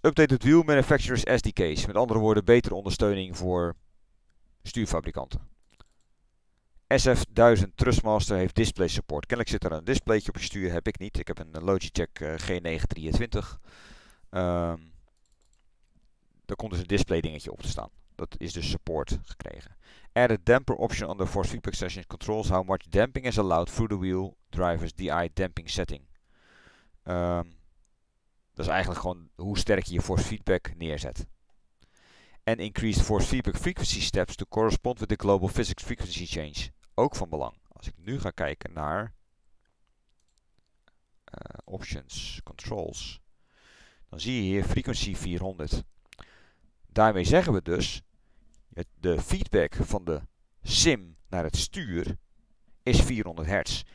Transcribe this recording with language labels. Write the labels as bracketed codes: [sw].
[en] Updated wheel manufacturers SDK's. [nl] Met andere woorden, betere ondersteuning voor stuurfabrikanten. SF1000 Thrustmaster heeft display support. Kennelijk zit er een displaytje op je stuur. Heb ik niet. Ik heb een Logitech G923. Daar komt dus een display dingetje op te staan. Dat is dus support gekregen. [en] Add a damper option on the force feedback session. Controls how much damping is allowed through the wheel driver's DI damping setting. [nl] Dat is eigenlijk gewoon hoe sterk je je force feedback neerzet. [en] And increased force feedback frequency steps to correspond with the global physics frequency change. [nl] Ook van belang. Als ik nu ga kijken naar options, controls. Dan zie je hier frequency 400. Daarmee zeggen we dus, de feedback van de sim naar het stuur is 400 hertz.